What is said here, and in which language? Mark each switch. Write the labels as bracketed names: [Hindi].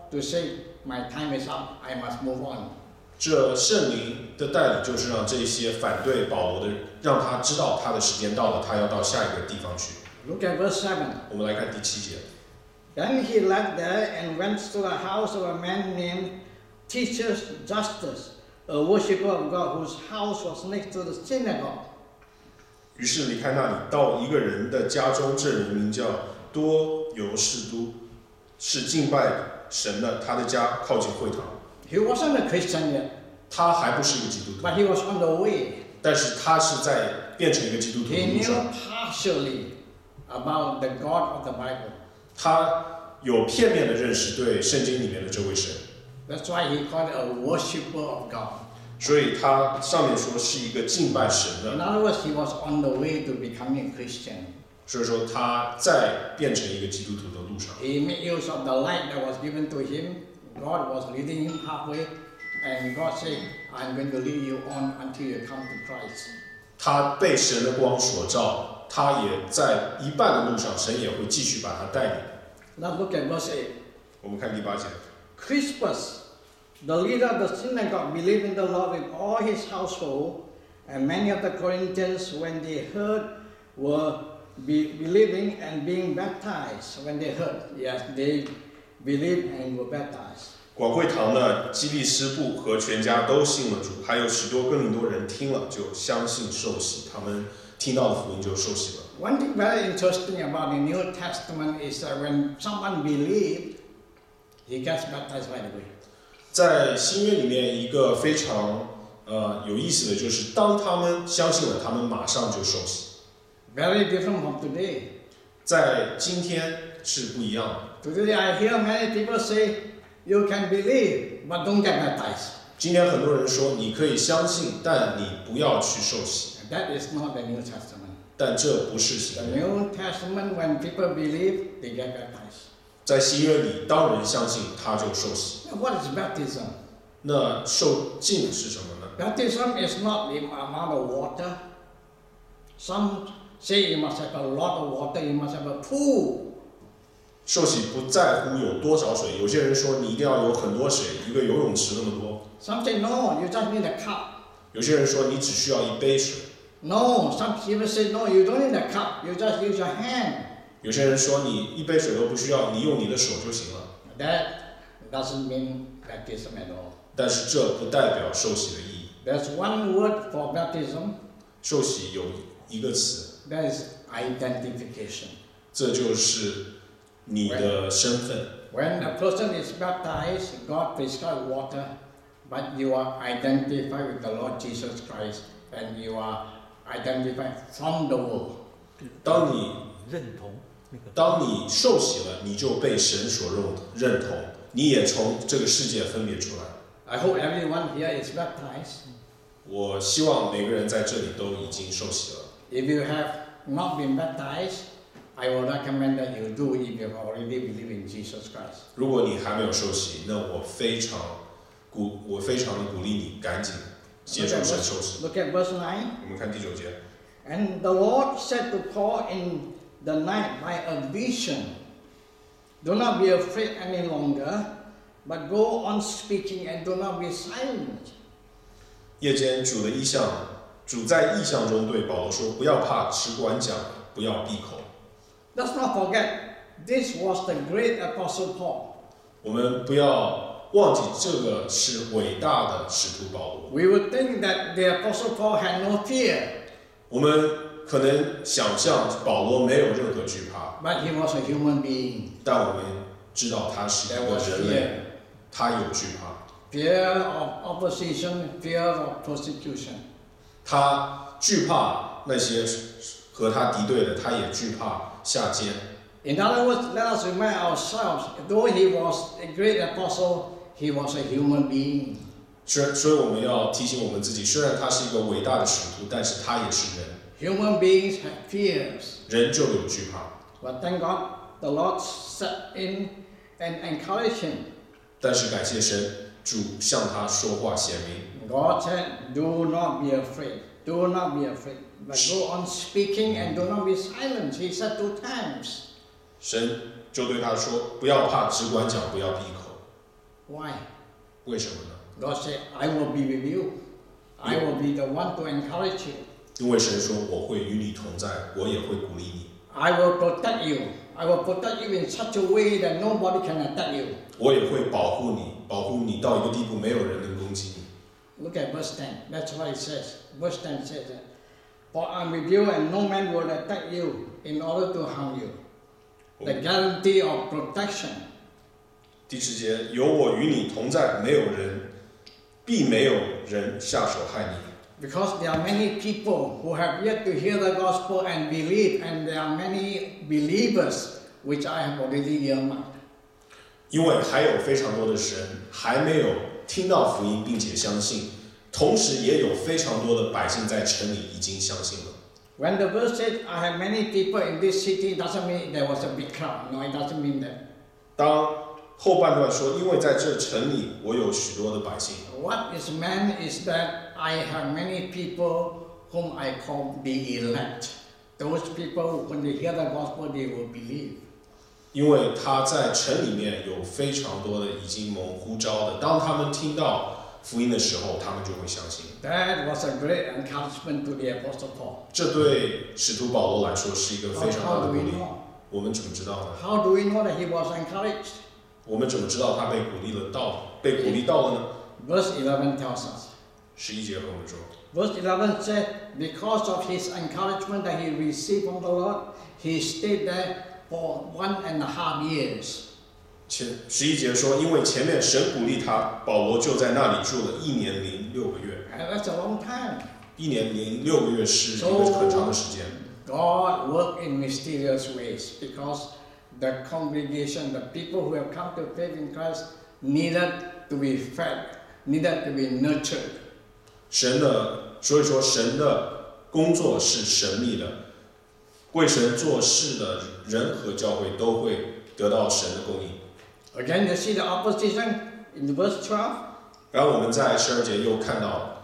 [English] To say, my time is up. I must move on. [Chinese] 这圣灵的带领就是让这些反对保罗的，让他知道他的时间到了，他要到下一个地方去。 [English] Look at verse 7. [Chinese] 我们来看第七节。 [English] Then he left there and went to the house of a man named Titus Justus, a worshipper of God, whose house was next to the synagogue. [Chinese] 于是离开那里，到一个人的家中，这人名叫多尤士都，是敬拜的。神的，他的家靠近会堂。 [English] He wasn't a Christian yet. [Chinese] 他还不是一个基督徒。 [English] But he was on the way. [Chinese] 但是他是在变成一个基督徒的路上。 [English] He knew partially about the God of the Bible. [Chinese] 他有片面的认识对圣经里面的这位神。 [English] That's why he called it a worshipper of God. [Chinese] 所以他上面说是一个敬拜神的。 [English] In other words, he was on the way to becoming a Christian. [Chinese] 所以说他在变成一个基督徒的路上。 [English] He made use of the light that was given to him. God was leading him halfway, and God said, "I'm going to lead you on until you come to Christ." [Chinese] 他被神的光所照，他也在一半的路上，神也会继续把他带领。 [English] Now look at verse 8. [Chinese] 我们看第八节。 [English] Crispus, the leader of the synagogue, believed in the Lord with all his household, and many of the Corinthians, when they heard, were believing and being baptized when they heard. Yes, they believed and were baptized. [Chinese] 广会堂的基利斯布和全家都信了主，还有许多哥林多人听了就相信受洗，他们听到的福音就受洗了。 [English] One thing very interesting about the New Testament is that when someone believed, he gets baptized by the way. [Chinese] 在新约里面，一个非常有意思的就是，当他们相信了，他们马上就受洗。 [English] Very different from today. [Chinese] 在今天是不一样的。 [English] Today I hear many people say, "You can believe, but don't get baptized." [Chinese] 今天很多人说你可以相信，但你不要去受洗。 [English] That is not the New Testament. [Chinese] 但这不是新约。 [English] The New Testament, when people believe, they get baptized. [Chinese] 在新约里，当人相信，他就受洗。 [English] What is baptism? [Chinese] 那受浸是什么呢 [English] ？Baptism is not the amount of water. Some Say you must have a lot of water. You must have a pool. [Chinese] 受洗不在乎有多少水。有些人说你一定要有很多水，一个游泳池那么多。 [English] Some say no, you just need a cup. [Chinese] 有些人说你只需要一杯水。 [English] No, some people say no, you don't need a cup. You just use your hand. [Chinese] 有些人说你一杯水都不需要，你用你的手就行了。 [English] That doesn't mean baptism at all. [Chinese] 但是这不代表受洗的意义。 [English] There's one word for baptism. [Chinese] 受洗有一个词。 [English] That is identification. [Chinese] 这就是你的身份。 [English] When a person is baptized, God prescribes water, but you are identified with the Lord Jesus Christ, and you are identified from the world. [Chinese] 当你认同，当你受洗了，你就被神所认同，你也从这个世界分别出来。 [English] I hope everyone here is baptized. [Chinese] 我希望每个人在这里都已经受洗了。 [English] If you have not been baptized, I will recommend that you do if you already believe in Jesus Christ. [Chinese] 如果你还没有受洗，那我非常的鼓励你赶紧接受神受洗。 [English] Look at verse 9. [Chinese] 我们看第九节。 [English] And the Lord said to Paul in the night by a vision. Do not be afraid any longer, but go on speaking and do not be silent. [Chinese] 夜间主的异象，主在异象中对保罗说：“不要怕，只管讲，不要闭口。” [English] Let's not forget, this was the great apostle Paul. [Chinese] 我们不要忘记这个是伟大的使徒保罗。 [English] We would think that the apostle Paul had no fear. [Chinese] 我们可能想象保罗没有任何惧怕。 [English] But he was a human being. [Chinese] 但我们知道他是一个人类，他有惧怕。 [English] Fear of opposition, fear of persecution. [Chinese] 他惧怕那些和他敌对的，他也惧怕下监。 [English] In other words, let us remind ourselves, though he was a great apostle, he was a human being. [Chinese] 所以我们要提醒我们自己，虽然他是一个伟大的使徒，但是他也是人。 [English] Human beings have fears. [Chinese] 人就有惧怕。 [English] But thank God, the Lord set in and encouraged him. [Chinese] 但是感谢神，主向他说话显明。 [English] God said, do not be afraid. Do not be afraid. But go on speaking and do not be silent. He said two times. [Chinese] 神就对他说：“不要怕，只管讲，不要闭口。” [English] Why? [Chinese] 为什么呢？ [English] God said, "I will be with you. I will be the one to encourage you." [Chinese] 因为神说：“我会与你同在，我也会鼓励你。” [English] I will protect you. I will protect you in such a way that nobody can attack you. [Chinese] 我也会保护你，保护你到一个地步，没有人能攻击你。 [English] Look at verse 10. That's what it says. Verse 10 says, "For I'm with you, and no man will attack you in order to harm you." The guarantee of protection. [Chinese] 第十节，有我与你同在，没有人，必没有人下手害你。 [English] Because there are many people who have yet to hear the gospel and believe, and there are many believers which I have already earmarked. [Chinese] 因为还有非常多的人还没有听到福音并且相信，同时也有非常多的百姓在城里已经相信了。 [English] When the verse said, "I have many people in this city," doesn't mean there was a big crowd. No, it doesn't mean that. [Chinese] 当后半段说，因为在这城里我有许多的百姓。 [English] What is meant is that I have many people whom I call the elect. Those people, when they hear the gospel, they will believe. [Chinese] 因为他在城里面有非常多的已经蒙呼召的，当他们听到福音的时候，他们就会相信。 [English] That was a great encouragement to the Apostle Paul. [Chinese] 这对使徒保罗来说是一个非常大的鼓励。 [English] How do we know? [Chinese] 我们怎么知道呢？ [English] How do we know that he was encouraged? [Chinese] 我们怎么知道他被鼓励了到被鼓励到了呢？ [English] Verse 11 tells us. [Chinese] 十一节和我们说。 [English] Verse 11 said, because of his encouragement that he received from the Lord, he stayed there for 1.5 years. [Chinese] 十一节说，因为前面神鼓励他，保罗就在那里住了1年零6个月。 [English] That's a long time. [Chinese] 1年零6个月是一个很长的时间。 [English] God worked in mysterious ways because the congregation, the people who have come to faith in Christ, needed to be fed, needed to be nurtured. [Chinese] 神的，所以说神的工作是神秘的，为神做事的人和教会都会得到神的供应。 [English] Again, you see the opposition in verse 12. [Chinese] 然后我们在十二节又看到。